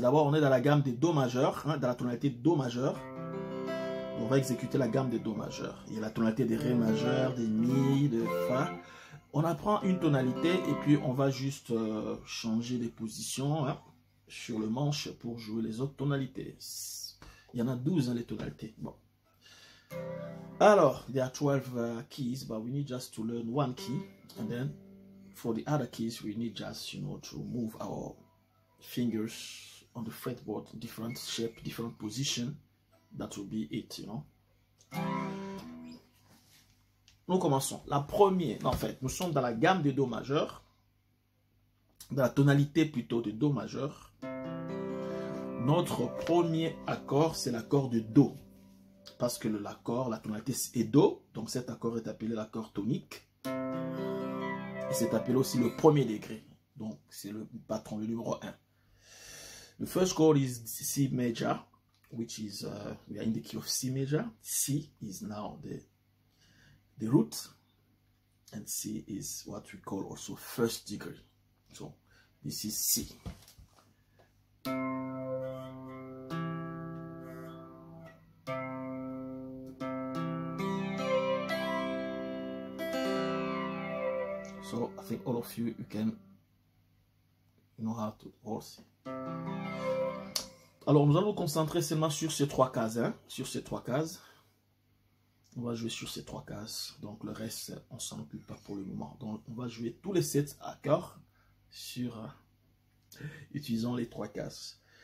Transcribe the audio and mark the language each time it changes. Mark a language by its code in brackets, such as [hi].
[fr] D'abord, on est dans la gamme des Do majeur, hein, dans la tonalité Do majeur. On va exécuter la gamme des Do majeur. Il y a la tonalité des Ré majeur, des Mi, de Fa. On apprend une tonalité et puis on va juste changer des positions, hein, sur le manche pour jouer les autres tonalités. Il y en a 12, hein, les tonalités. Bon. [en] Alors, there are 12 keys, but we need just to learn one key. And then, for the other keys, we need just, to move our fingers on the fretboard, different shape, different position. That will be it, [fr] Nous commençons. La première, en fait, nous sommes dans la gamme de Do majeur, dans la tonalité plutôt de Do majeur. Notre premier accord, c'est l'accord de Do. Parce que l'accord, la tonalité est Do, donc cet accord est appelé l'accord tonique. Et c'est appelé aussi le premier degré. Donc, c'est le patron, le numéro 1. [en] The first chord is C major. Which is we are in the key of C major. C is now the root, and C is what we call also first degree. So this is C. So I think all of you can know how to hold C. [fr] Alors, nous allons nous concentrer seulement sur ces trois cases, hein, sur ces trois cases. On va jouer sur ces trois cases. Donc, le reste, on s'en occupe pas pour le moment. Donc, on va jouer tous les 7 accords sur utilisant les trois cases.